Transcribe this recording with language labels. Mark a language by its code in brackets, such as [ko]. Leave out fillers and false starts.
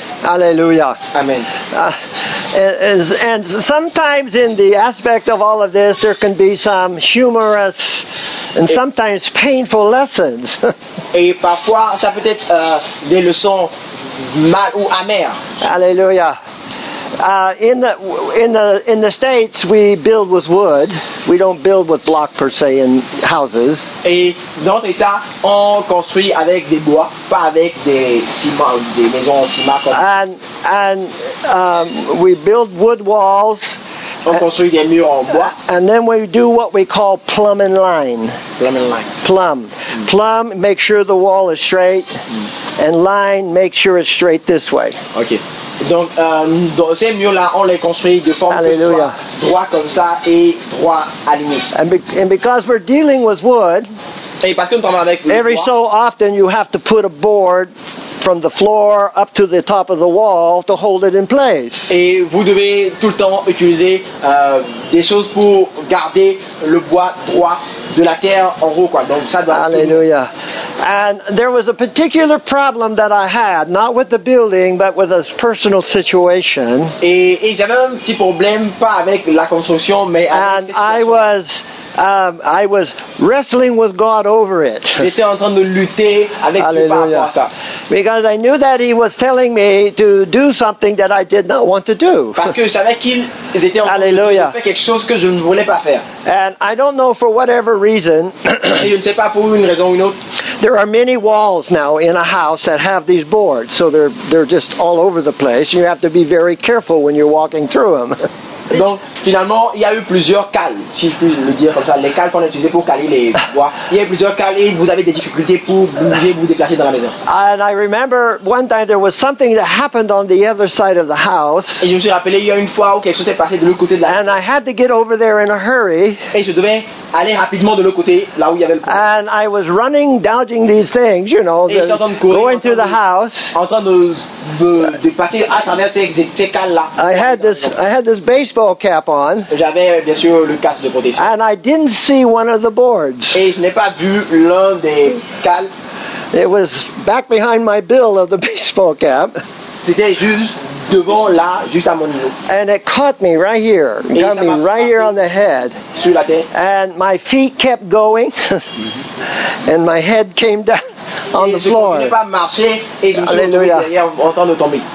[en] Alléluia. Amen. And sometimes in the aspect of all of this, there can be some humorous and sometimes painful lessons. [fr] Et parfois, ça peut être des leçons mal ou amères. [en] Alléluia. In the States, we build with wood. We don't build with block per se in houses. [fr] Et dans notre état, on construit avec des bois, pas avec des ciments, des maisons en ciment. [en] And we build wood walls. [fr] On construit des murs en bois. [en] And then we do what we call plumb and line. Plumb and line. Plumb. Plumb, make sure the wall is straight. And line, make sure it's straight this way. Okay. [fr] Donc, ces murs-là, on les construit de forme que soit droit comme ça et droit aligné. [en] And because we're dealing with wood, [fr] Et parce que nous travaillons avec le [en] Every [fr] toit. [en] So often you have to put a board from the floor up to the top of the wall to hold it in place. [fr] Et vous devez tout le temps utiliser des choses pour garder le bois droit de la terre en haut quoi. Donc ça doit Hallelujah. [en] And there was a particular problem that I had, not with the building, but with a personal situation. [fr] Et j'avais un petit problème, pas avec la construction, mais avec cette situation. [en] I was wrestling with God over it. [fr] J'étais en train de lutter avec Dieu par rapport à ça. [en] Because I knew that he was telling me to do something that I did not want to do. [fr] Parce que je savais qu'il était en train de faire quelque chose que je ne voulais pas faire. [en] And I don't know for whatever reason. [fr] Et je ne sais pas pour une raison ou une autre. [en] There are many walls now in a house that have these boards, so they're just all over the place. You have to be very careful when you're walking through them. [fr] Donc finalement, il y a eu plusieurs cales, si je puis le dire comme ça, les cales qu'on a utilisées pour caler les bois. Il y a eu plusieurs cales et vous avez des difficultés pour bouger, vous déplacer dans la maison. [en] And I remember one time there was something that happened on the other side of the house. [fr] Et je me suis rappelé, il y a une fois où quelque chose s'est passé de l'autre côté de la maison. [en] And I had to get over there in a hurry. [fr] Et je devais aller rapidement de l'autre côté, là où il y avait le problème. [en] And I was running, dodging these things, you know, [fr] et [en] the, [fr] courir, [en] going through the house. [fr] En train de passer à travers ces cales là. [en] I had this baseball cap on. [fr] J'avais bien sûr le casque de protection. [en] And I didn't see one of the boards. [fr] Et je n'ai pas vu l'un des cales. [en] It was back behind my bill of the baseball cap. [fr] C'était juste devant là, juste à mon niveau. [en] And it caught me right here. [fr] Et [en] got me right here on the head. [fr] Sur la tête. [en] And my feet kept going. And my head came down. On [fr] et [en] the floor. [fr] Je ne pouvais pas marcher et je me suis retrouvé en train de tomber.